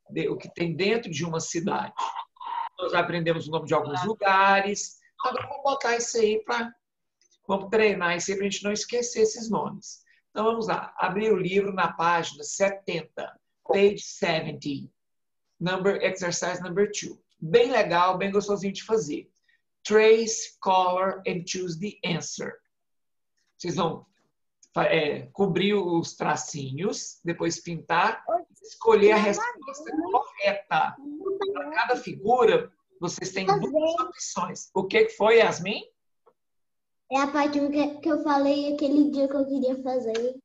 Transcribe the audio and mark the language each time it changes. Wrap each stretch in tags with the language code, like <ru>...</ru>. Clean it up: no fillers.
<pt>O que tem dentro de uma cidade. Nós aprendemos o nome de alguns lugares. Agora vamos botar isso aí para. Vamos treinar isso aí para a gente não esquecer esses nomes. Então vamos lá. Abrir o livro na página 70.</pt> <en>Page 70. Number, exercise number 2.</en> <pt>Bem legal, bem gostosinho de fazer.</pt> <en>Trace, color and choose the answer.</en> <pt>Vocês vão cobrir os tracinhos, depois pintar, escolher a resposta correta para cada figura. Vocês têm duas opções. O que foi, Yasmin? É a parte que eu falei aquele dia que eu queria fazer.</pt>